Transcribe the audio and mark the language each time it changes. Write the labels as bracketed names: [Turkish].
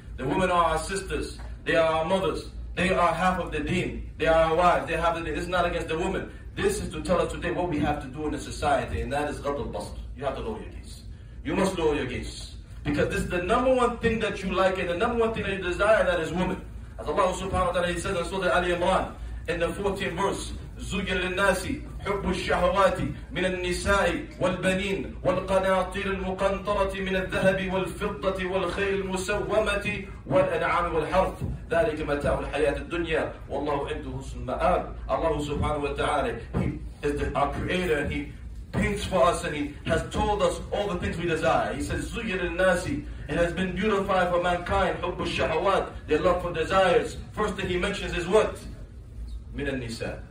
[English] The women are our sisters. They are our mothers. They are half of the deen. They are our wives. They have the deen. This is not against the woman. This is to tell us today what we have to do in a society, and that is ghadr al-basr. You have to lower your gaze. You must lower your gaze. Because this is the number one thing that you like and the number one thing that you desire, that is woman. As Allah subhanahu wa ta'ala, he says in Surah Ali Imran, in the 14th verse, [Arabic] زُجِّ لِلنَّاسِ حُبُّ الشَّهَوَاتِ مِنَ النِّسَاءِ وَالْبَنِينَ وَالْقَنَاطِيرِ الْمُقَنْطَرَةِ مِنَ الذَّهَبِ وَالْفِضَّةِ وَالْخَيْلِ الْمُسَوَّمَةِ وَالْأَنْعَامِ وَالْحَرْثِ ذَلِكَ مَتَاعُ الْحَيَاةِ الدُّنْيَا وَاللَّهُ عِنْدُهُ حُسْنُ الْمَآبِ. [English] Allah subhanahu wa ta'ala, He is our creator and He paints for us and He has told us all the things we desire. He says, [Arabic] زُجِّ لِلنَّاسِ, [English] it has been beautified for mankind, [Arabic] حُبُّ الشَّهَوَاتِ, [English] their love for desires. First thing He mentions is what? [Arabic] مِنَ النِّسَاءِ.